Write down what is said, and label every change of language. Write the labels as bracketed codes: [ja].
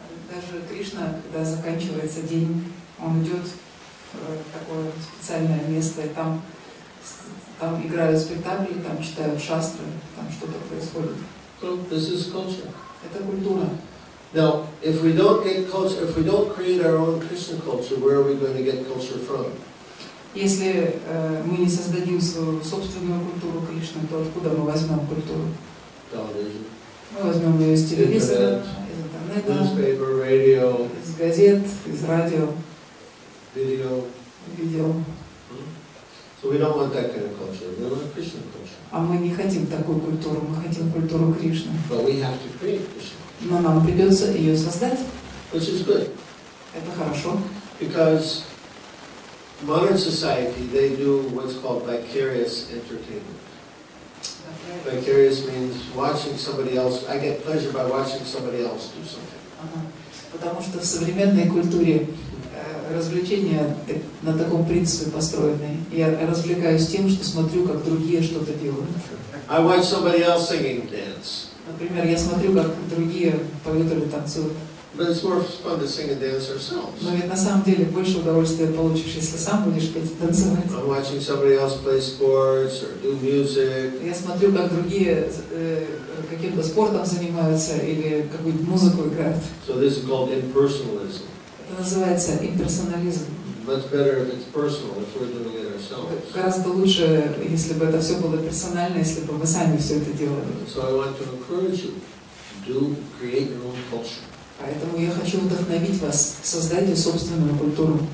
[ru] Даже Кришна, когда заканчивается день, он идет в такое специальное место, и там играют спектакли, там читают шастры, там что-то происходит. [en] So this is culture. [ru] Это культура. [en] Now, if we don't get culture, if we don't create our own Krishna culture, where are we going to get culture from? [ru] Если мы не создадим свою собственную культуру Кришны, то откуда мы возьмем культуру? [en] Television. [ru] Мы возьмем ее из телевизора, из интернета, [en] newspaper, radio, [ru] из газет, из радио, видео. [en] So we don't want that kind of culture. We want Krishna culture. [ru] А мы не хотим такую культуру. Мы хотим культуру Кришны. [en] But we have to create Krishna. [ru] Но нам придется ее создать. [en] Which is good. [ru] Это хорошо. [en] Because modern society, they do what's called vicarious entertainment. Okay. Vicarious means watching somebody else. I get pleasure by watching somebody else do something. [ru] Потому что в современной культуре развлечения на таком принципе построены. Я развлекаюсь тем, что смотрю, как другие что-то делают. [en] I watch somebody else singing dance. [ru] Например, я смотрю, как другие поют или танцуют. [en] But it's more fun to sing and dance ourselves. [ru] Но ведь на самом деле больше удовольствия получишь, если сам будешь петь и танцевать. [en] I'm watching somebody else play sports or do music. [ru] Я смотрю, как другие каким-то спортом занимаются или какую-нибудь музыку играют. [en] So this is called impersonalism. [ru] Это называется имперсонализм. [en] Much better if it's personal, if we're doing it ourselves. [ru] Гораздо лучше, если бы это все было персонально, если бы мы сами все это делали. [en] So I want to encourage you to do, create your own culture. [ru] Поэтому я хочу вдохновить вас, создайте собственную культуру.